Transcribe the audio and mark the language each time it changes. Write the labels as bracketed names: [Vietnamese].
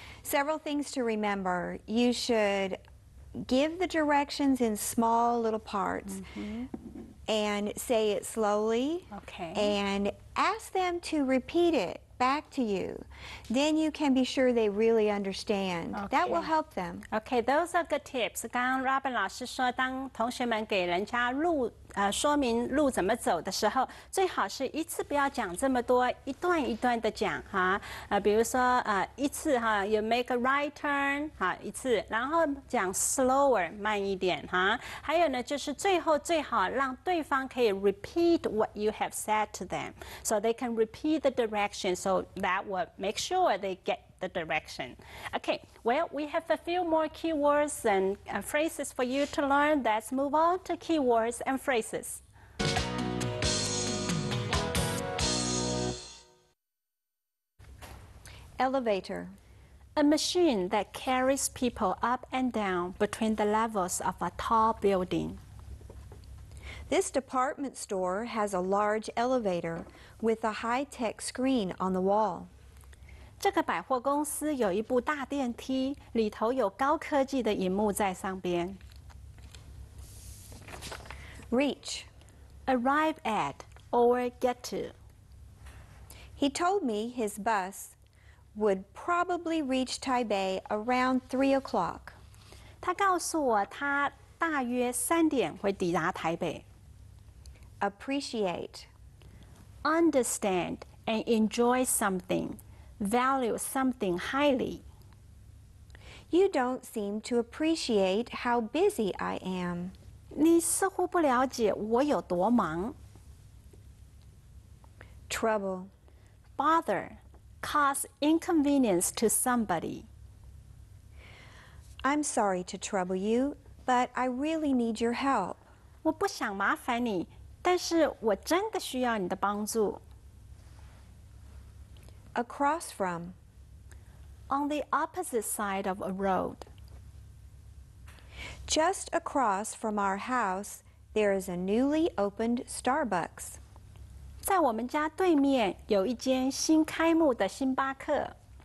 [English] Several things to remember. You should give the directions in small little parts and say it slowly. Okay. And ask them to repeat it. Back to you, then you can be sure they really understand. Okay. That will help them. Okay, those are good tips. [Chinese] 刚刚 Robin 老师说，当同学们给人家路说明路怎么走的时候，最好是一次不要讲这么多，一段一段的讲哈。比如说一次哈 ， [English] you make a right turn， [Chinese] 好一次，然后讲 slower， 慢一点哈。还有呢，就是最后最好让对方可以 [English] repeat what you have said to them， so they can repeat the directions， so that will make sure they get the direction. Okay. Well, we have a few more keywords and phrases for you to learn. Let's move on to keywords and phrases. Elevator. A machine that carries people up and down between the levels of a tall building. This department store has a large elevator with a high-tech screen on the wall. [Chinese] 这个百货公司有一部大电梯，里头有高科技的萤幕在上边。 [English] Reach, arrive at or get to. He told me his bus would probably reach Taipei around 3 o'clock. [Chinese] 他告诉我他大约三点会抵达台北。 [English] Appreciate, understand and enjoy something. Value something highly. You don't seem to appreciate how busy I am. [Chinese] 你似乎不了解我有多忙。 [English] Trouble. Bother. Cause inconvenience to somebody. I'm sorry to trouble you, but I really need your help. [Chinese] 我不想麻烦你，但是我真的需要你的帮助。 [English] Across from. On the opposite side of a road. Just across from our house, there is a newly opened Starbucks. [Chinese] 在我们家对面有一间新开幕的星巴克。